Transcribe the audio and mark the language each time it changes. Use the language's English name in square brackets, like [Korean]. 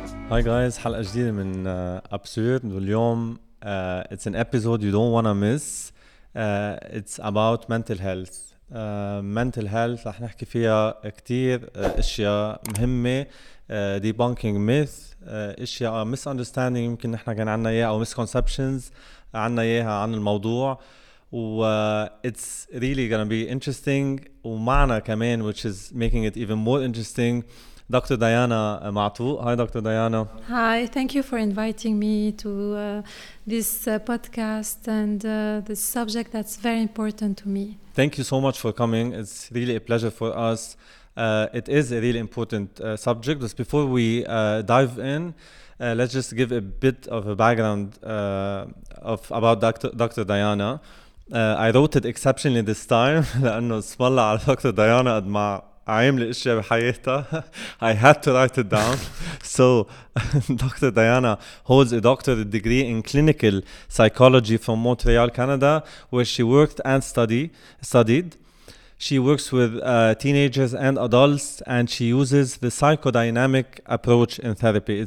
[Arabic] هاي جايز، حلقة جديدة من أبسورد. واليوم [English] it's an episode you don't wanna miss. It's about mental health. [Arabic] Mental health رح نحكي فيها كتير أشياء مهمة. [English] Debunking myth، [Arabic] أشياء misunderstanding يمكن نحنا كان عنا إياها، أو misconceptions عنا إياها عن الموضوع. [English] It's really gonna be interesting. [Arabic] ومعنا كمان [English] which is making it even more interesting، Dr. Diana Maatouk. Hi, Dr. Diana. Hi, thank you for inviting me to this podcast and this subject that's very important to me. Thank you so much for coming. It's really a pleasure for us. It is a really important subject. But before we dive in, let's just give a bit of a background about Dr. Diana. I wrote it exceptionally this time because [Arabic] اسم الله على [English] Dr. [Arabic] Diana قد ما عامل اشياء بحياتها. [English] I had to write it down. So Dr. Diana holds a doctorate degree in clinical psychology from Montreal, Canada, where she worked and studied. She works with teenagers and adults, and she uses the psychodynamic approach in therapy.